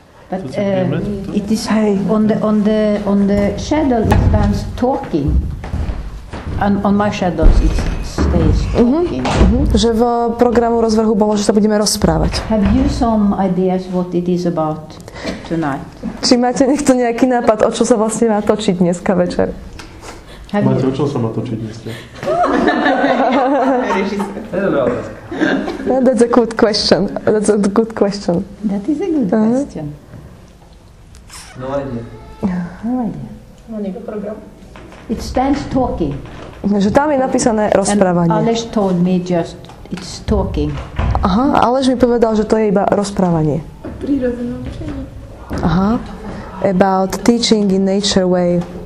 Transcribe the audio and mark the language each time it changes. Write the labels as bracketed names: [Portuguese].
[English] But it is on the shadow it stands talking. And on my shadows it stays talking. [Slovak] Že v programu rozvrhu bolo, že sa budeme rozprávať. [English] Have you some ideas what it is about tonight? [Slovak] Či máte niekto nejaký nápad, o čo sa vlastne má točiť dneska večer? Máte, o čo sa má točiť dneska? [English] That's a good question. That's a good question. That is a good question. No idea. It stands talking. [Slovak] Že tam je napísané rozprávanie. [English] Aleš told me just it's talking. [Slovak] Aha, Aleš mi povedal, že to je iba rozprávanie. Prírodzené učenie. Aha. [English] About teaching in nature way.